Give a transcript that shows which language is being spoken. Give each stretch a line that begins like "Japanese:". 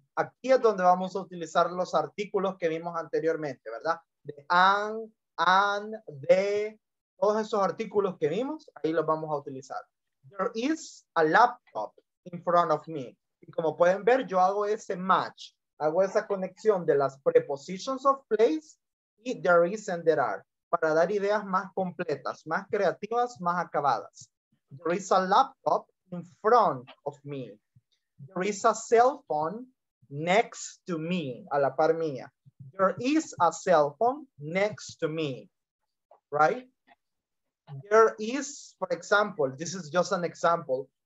Spanish: Aquí es donde vamos a utilizar los artículos que vimos anteriormente, ¿verdad? De an, de, todos esos artículos que vimos, ahí los vamos a utilizar.
English: There is a laptop in front of me.
Spanish: Y como pueden ver, yo hago ese match. Hago esa conexión de las
English: prepositions of place y there is and there are.
Spanish: Para dar ideas más completas, más creativas, más acabadas.
English: There is a laptop in front of me. There is a cell phone next to me,
Spanish: a la par mía.
English: There is a cell phone next to me, right? There is, for example, this is just an example.